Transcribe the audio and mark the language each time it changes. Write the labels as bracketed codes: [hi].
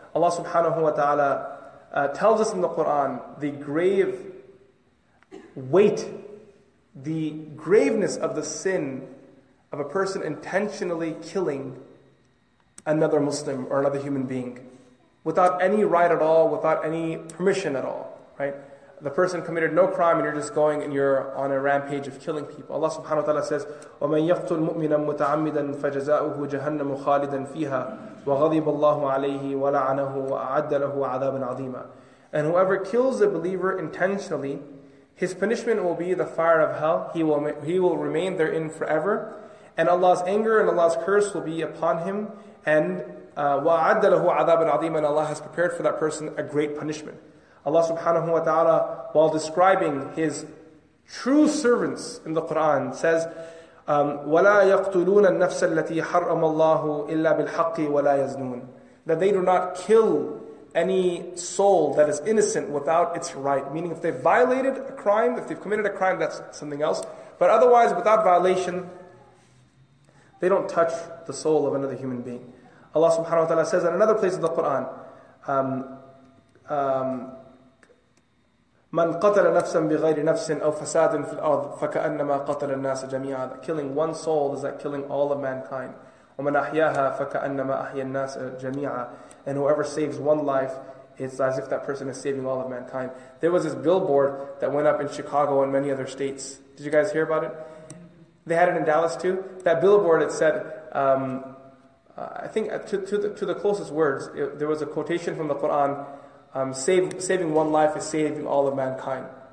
[en] Allah subhanahu wa ta'ala tells us in the Quran the grave weight, the graveness of the sin of a person intentionally killing another Muslim or another human being without any right at all, without any permission at all, right? The person committed no crime and you're just going and you're on a rampage of killing people. [ar] Allah subhanahu wa ta'ala says, وَمَنْ يَقْتُلْ مُؤْمِنًا مُتَعَمِّدًا فَجَزَاؤُهُ جَهَنَّمُ خَالِدًا فِيهَا وَغَضِبَ اللَّهُ عَلَيْهِ وَلَعَنَهُ وَأَعَدَّ لَهُ عَذَابًا عَظِيمًا. [en] And whoever kills a believer intentionally, his punishment will be the fire of hell. He will remain therein forever. And Allah's anger and Allah's curse will be upon him. [ar] And وَأَعَدَّ لَهُ عَذَابًا عَظِيمًا. [en] Allah has prepared for that person a great punishment. Allah subhanahu wa ta'ala, while describing his true servants in the Quran, says, [ar] وَلَا يَقْتُلُونَ النَّفْسَ الَّتِي حَرَّمَ اللَّهُ إِلَّا بِالْحَقِّ وَلَا يَزْنُونَ. [en] That they do not kill any soul that is innocent without its right. Meaning if they've violated a crime, if they've committed a crime, that's something else. But otherwise, without violation, they don't touch the soul of another human being. Allah subhanahu wa ta'ala says in another place in the Quran, [ar] مَنْ قَتَلَ نَفْسًا بِغَيْرِ نَفْسٍ أَوْ فَسَادٍ فِي الْأَرْضِ فَكَأَنَّمَا قَتَلَ النَّاسَ جَمِيعًا. [en] Killing one soul is like killing all of mankind. [ar] وَمَنْ أَحْيَاهَا فَكَأَنَّمَا أَحْيَى النَّاسَ جَمِيعًا. [en] And whoever saves one life It's as if that person is saving all of mankind. There was this billboard that went up in Chicago and many other states. Did you guys hear about it? They had it in Dallas too. That billboard, it said, I think to the closest words, there was a quotation from the Quran, saving one life is saving all of mankind.